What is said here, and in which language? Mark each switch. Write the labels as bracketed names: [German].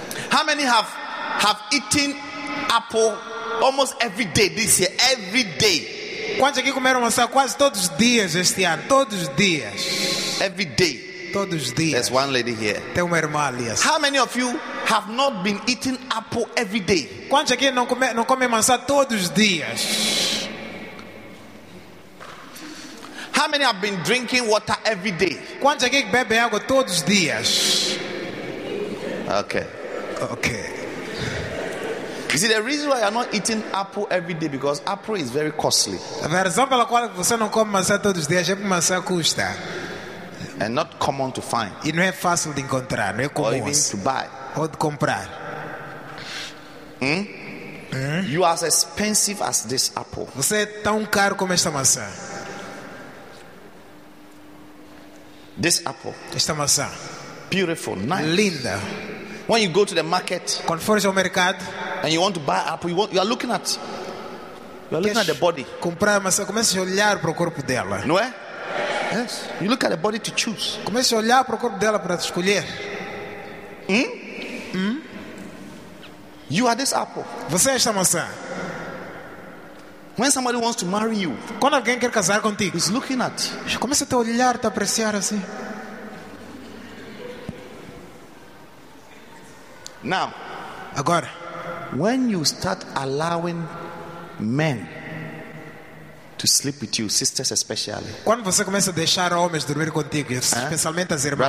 [English] How many have eaten apple almost every day this year? Every day. [Portuguese] Quantos aqui comeram maçã quase todos os dias este ano? Todos os dias. [English] Every day. [Portuguese] Todos os dias. [English] There's one lady here. [Portuguese] Tem uma irmã ali. [English] How many of you have not been eating apple every day? [Portuguese] Quantos aqui não comem maçã todos os dias? [English] How many have been drinking water every day? [Portuguese] Quantos aqui bebem água todos os dias? [English] Okay. You see, the reason why you're not eating apple every day because apple is very costly. [Portuguese] A razão pela qual você não come maçã todos os dias é porque maçã custa. [English] And not common to find. [Portuguese] E não é fácil de encontrar, não é comum. [English] Or even to buy. [Portuguese] Ou de comprar. [English] You are as expensive as this apple. [Portuguese] Você é tão caro como esta maçã. [English] This apple. [Portuguese] Esta maçã. [English] Beautiful, nice. [Portuguese] Linda. [English] When you go to the market, [Portuguese] quando fores ao mercado, [English] and you want to buy apple, you are looking at, you are looking at the body. [Portuguese] Comprar maçã, começa a olhar para o corpo dela. Não é? [English] Yes. You look at the body to choose. [Portuguese] Começa a olhar para o corpo dela para escolher. [English] You are this apple. [Portuguese] Você é esta maçã. [English] When somebody wants to marry you, [Portuguese] quando alguém quer casar contigo, [English] he's looking at. [Portuguese] Começa a te olhar, te apreciar assim. [English] Now, [Portuguese] agora, [English] when you start allowing men to sleep with you, sisters especially. [Portuguese] Quando você começa a deixar homens dormir contigo, especialmente as irmãs.